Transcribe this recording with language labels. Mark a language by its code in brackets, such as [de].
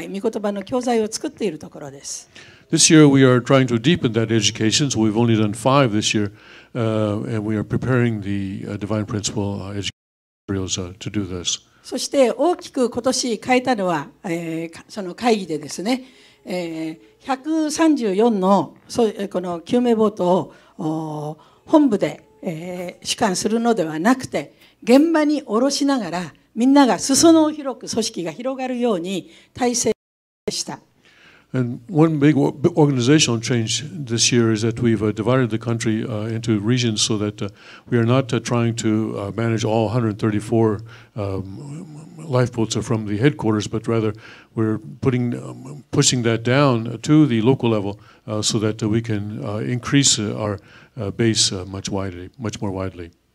[ja] もっとより深めなければいけないと思いまして、ワンデーは5回なんですけれども、より祝福に向かえるように、また深く教育が進むように、今、教材、御言葉の教材を作っているところです。 [en] This year we are trying to deepen that education, so we've only done 5 this year, and we are preparing the Divine Principle education materials to do this. [ja] そして大きく今年変えたのは、その会議でですね、134のその救命ボートを本部で主管するのではなくて、現場に下ろしながら、みんなが裾野を広く組織が広がるように体制した。 [en] And one big organizational change this year is that we've divided the country into regions so that we are not trying to manage all 134 lifeboats from the headquarters, but rather we're putting pushing that down to the local level so that we can increase our base much more widely.